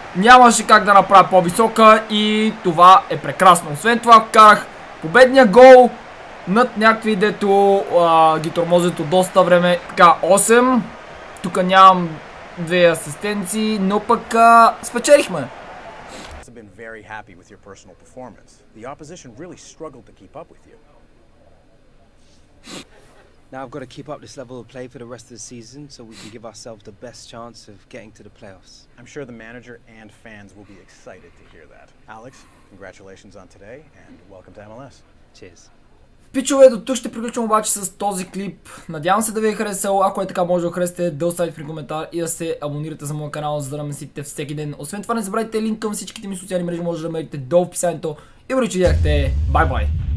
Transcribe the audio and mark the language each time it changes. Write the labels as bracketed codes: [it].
[bg] Нямаше как да направя по-висока и това е прекрасно. Освен това вкарах победния гол над някакви, дето ги тормозят от доста време. Така, 8. Тук нямам две асистенции, но пък спечелихме. [en] Been very happy with your personal performance. The opposition really struggled to keep up with you. Now I've got to keep up this level of play for the rest of the season so we can give ourselves the best chance of getting to the playoffs. I'm sure the manager and fans will be excited to hear that. Alex, congratulations on today and welcome to MLS. Cheers. [bg] Пичове, до тук ще приключвам обаче с този клип. Надявам се да ви е харесало. Ако е така, може да харесате, да оставите при коментар и да се абонирате за моя канал, за да намесите всеки ден. Освен това, не забравяйте линк към всичките ми социални мрежи, може да намерите долу в описанието. И бъде, че видяхте. Бай-бай!